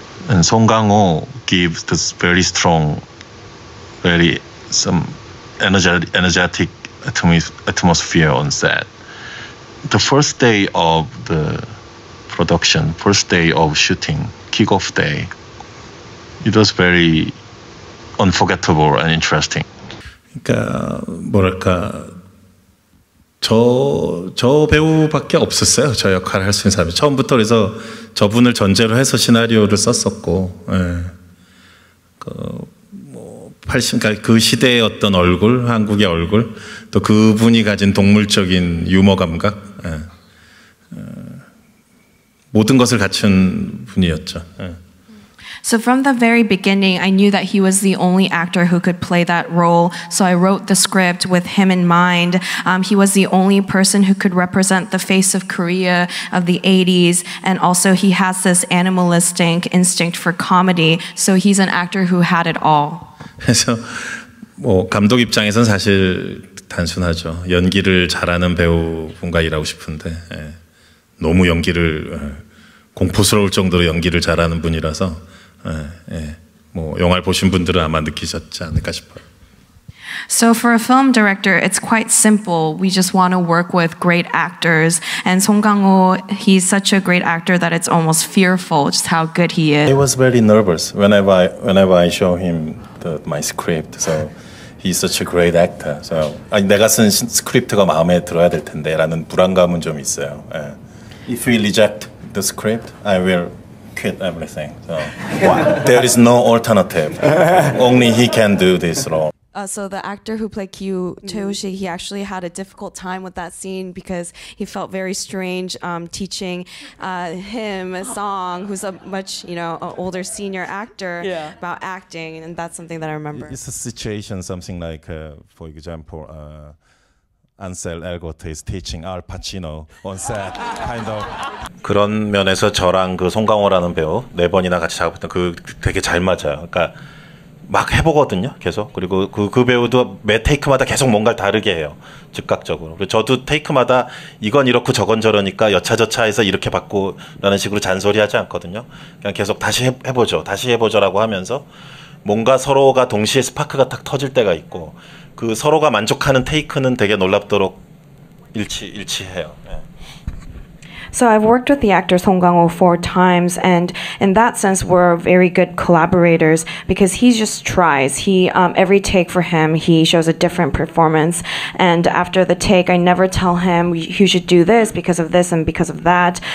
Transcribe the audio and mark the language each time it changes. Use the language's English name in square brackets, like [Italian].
[English] And Song Kang Ho gave this very strong, very some energetic atmosphere on set. The first day of the production, first day of shooting, kickoff day, it was very unforgettable and interesting. [Korean] 그러니까 뭐랄까 저 배우밖에 없었어요. 저 역할을 할 수 있는 사람이 처음부터 그래서 저분을 전제로 해서 시나리오를 썼었고, 그 시대의 어떤 얼굴, 한국의 얼굴, 또 그분이 가진 동물적인 유머 감각, 모든 것을 갖춘 분이었죠. [English] So from the very beginning, I knew that he was the only actor who could play that role. So I wrote the script with him in mind. He was the only person who could represent the face of Korea of the 80s. And also he has this animalistic instinct for comedy. So he's an actor who had it all. [Korean] 그래서 뭐 감독 입장에선 사실 단순하죠. 연기를 잘하는 배우분과 일하고 싶은데 예. 너무 연기를 공포스러울 정도로 연기를 잘하는 분이라서 뭐 영화를 보신 분들은 아마 느끼셨지 않을까 싶어요. [English] So for a film director, it's quite simple. We just want to work with great actors. And Song Kang-ho, he's such a great actor that it's almost fearful just how good he is. He was very nervous whenever I show him my script. So he's such a great actor. So [Korean] 아니, 내가 쓴 스크립트가 마음에 들어야 될 텐데라는 불안감은 좀 있어요. [English] Yeah. If we reject the script, I will quit everything. So wow. There is no alternative. Only he can do this role. So the actor who played Kyu Choi, he actually had a difficult time with that scene because he felt very strange teaching him a song, who's a much older senior actor, yeah, about acting, and that's something that I remember. It's a situation, something like, for example, Ansel Elgort is teaching Al Pacino on set, kind of. [Korean] 그런 면에서 저랑 그 송강호라는 배우 네 번이나 같이 작업했던 그 되게 잘 맞아요. 그러니까 막 해보거든요, 계속. 그리고 그 배우도 매 테이크마다 계속 뭔가를 다르게 해요, 즉각적으로. 그리고 저도 테이크마다 이건 이렇고 저건 저러니까 여차저차해서 이렇게 바꾸라는 식으로 잔소리하지 않거든요. 그냥 계속 다시 해보죠라고 하면서 뭔가 서로가 동시에 스파크가 딱 터질 때가 있고 그 서로가 만족하는 테이크는 되게 놀랍도록 일치해요. [English] So I've worked with the actor Song Kang Ho 4 times, and in that sense, we're very good collaborators because he just tries. He every take for him, he shows a different performance. And after the take, I never tell him he should do this because of this and because of that.